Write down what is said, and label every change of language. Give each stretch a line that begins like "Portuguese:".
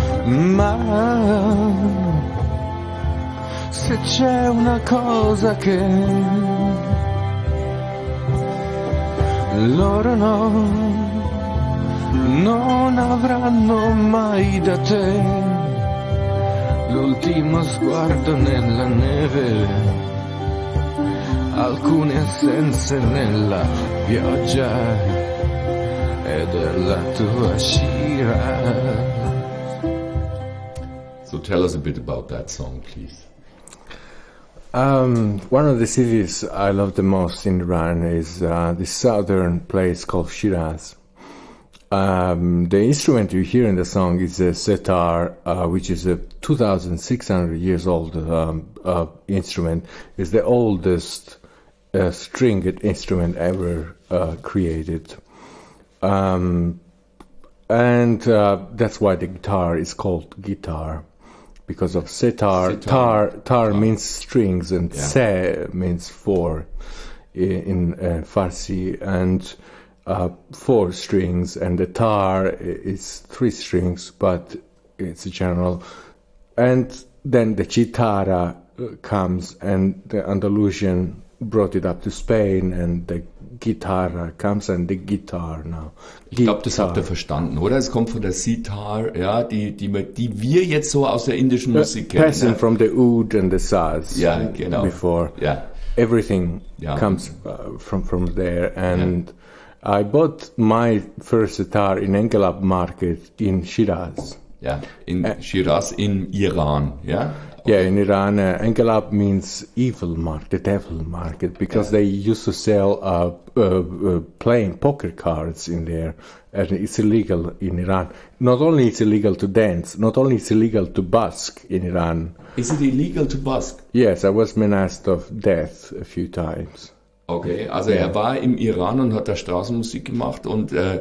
Italian: Ma se c'è una cosa che loro non avranno mai da te. L'ultimo sguardo nella neve alcune essenze nella pioggia e della tua scia.
English: So tell us a bit about that song, please. One of the cities I love the most in Iran is the southern place called Shiraz. The instrument you hear in the song is a setar, which is a 2,600 years old instrument. It's the oldest stringed instrument ever created. And that's why the guitar is called guitar. Because of setar, tar means strings, and yeah. Se means four in Farsi, and four strings, and the tar is three strings, but it's a general. And then the chitara comes, and the Andalusian brought it up to Spain, and the guitarra comes, and the guitar now.
German: Ich glaube, das habt ihr verstanden, oder? Es kommt von der Sitar, ja, die wir jetzt so aus der indischen Musik kennen.
English: Passing from the oud and the saz.
German: Ja, genau.
English: Before.
German: Ja.
English: Everything comes from there. And ja. I bought my first sitar in Engelab Market in Shiraz.
German: Ja, in Shiraz in Iran, ja?
English: Yeah, in Iran, Engelab means evil market, the devil market, because they used to sell playing poker cards in there, and it's illegal in Iran. Not only it's illegal to dance, not only it's illegal to busk in Iran. Is it illegal to busk? Yes, I was menaced of death a few times.
German: Okay, also er war im Iran und hat da Straßenmusik gemacht und